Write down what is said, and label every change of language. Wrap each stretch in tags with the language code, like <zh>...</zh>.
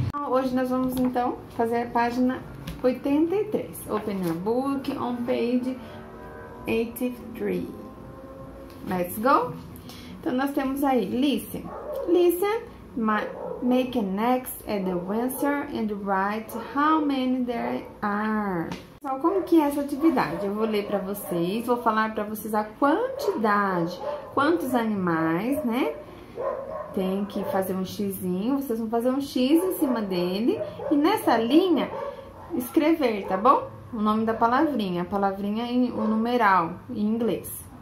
<pt>Hoje nós vamos então fazer a página 83.</pt> <en>Open your book on page 83. Let's go!</en> <pt>Então, nós temos aí, listen.</pt> <en>Listen, make an X at the answer and write how many there are.</en> <pt>Pessoal, como que é essa atividade? Eu vou ler para vocês, vou falar para vocês a quantidade, quantos animais, né? Tem que fazer um xizinho, vocês vão fazer um X em cima dele e nessa linha escrever, tá bom? O nome da palavrinha, a palavrinha em o numeral em inglês.</pt>